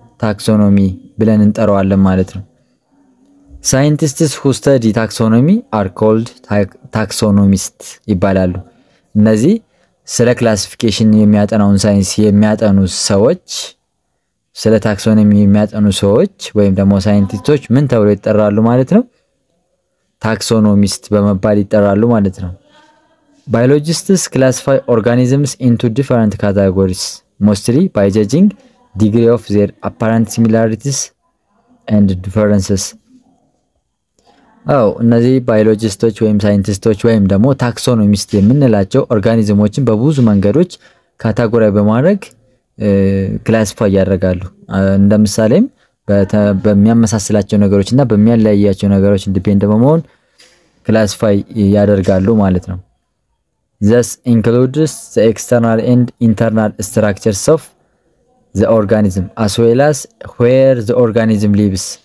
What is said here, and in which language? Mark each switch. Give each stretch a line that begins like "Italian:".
Amharic: ታክሶኖሚ ብለን እንጠራዋለን ማለት ነው።
English: Scientists who study taxonomy are called taxonomists
Amharic: ይባላሉ። እነዚህ ስለ ክላሲፊኬሽን የሚያጠኑ ሳይንስ የሚያጠኑ ሰዎች ስለ ታክሶኖሚ የሚያጠኑ ሰዎች ወይም ደግሞ ሳይንቲስቶች ምን ተብለው ይጠራሉ ማለት ነው? ታክሶኖሚስት በመባል ይጠራሉ ማለት ነው።
English: Biologists classify organisms into different categories mostly by judging degree of their apparent similarities and differences.
Amharic: አው እነዚህ ባዮሎጂስቶች ወይም ሳይንቲስቶች ወይም ደግሞ ታክሶኖሚስት የምንላቸው ኦርጋኒዝሞችን በብዙ መንገዶች ካታጎራይ በማድረግ ክላሲፋይ ያደርጋሉ። እንደምሳሌም በሚያመሳስላቸው ነገሮችና በሚያለያያቸው ነገሮች ዲፔንድ በመሆን ክላሲፋይ ያደርጋሉ ማለት ነው።
English: This includes the external and internal structures of the organism as well as where the organism lives.